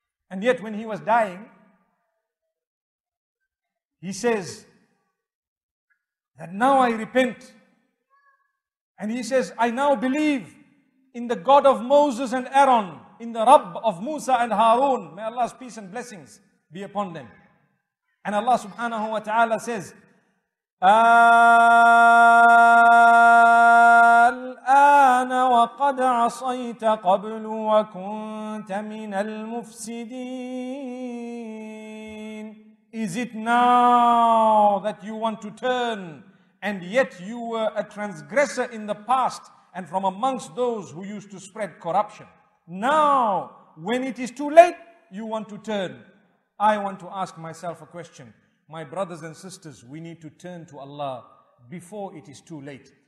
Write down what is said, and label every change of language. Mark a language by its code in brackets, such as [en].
[en] And yet when he was dying, he says that now I repent. And he says, I now believe in the God of Moses and Aaron, in the Rabb of Musa and Harun. May Allah's peace and blessings be upon them. And Allah subhanahu wa ta'ala says, [ar] الْآنَ وَقَدْ عَصَيْتَ قَبْلُ وَكُنْتَ مِنَ الْمُفْسِدِينَ. [en] Is it now that you want to turn, and yet you were a transgressor in the past and from amongst those who used to spread corruption? Now, when it is too late, you want to turn. I want to ask myself a question. My brothers and sisters, we need to turn to Allah before it is too late.